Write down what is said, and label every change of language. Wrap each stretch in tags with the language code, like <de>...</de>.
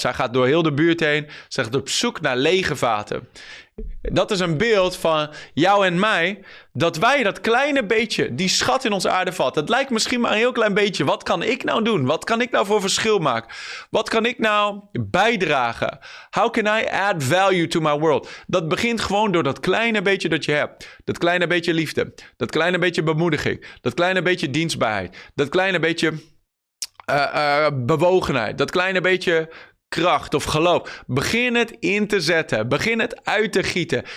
<nl>Zij gaat door heel de buurt heen. Zij gaat op zoek naar lege vaten. Dat is een beeld van jou en mij. Dat wij dat kleine beetje, die schat in onze aarde vat. Het lijkt misschien maar een heel klein beetje. Wat kan ik nou doen? Wat kan ik nou voor verschil maken? Wat kan ik nou bijdragen?</nl> <en>How can I add value to my world?</en> <nl>Dat begint gewoon door dat kleine beetje dat je hebt. Dat kleine beetje liefde. Dat kleine beetje bemoediging. Dat kleine beetje dienstbaarheid. Dat kleine beetje bewogenheid. Dat kleine beetje kracht of geloof. Begin het in te zetten. Begin het uit te gieten.</nl>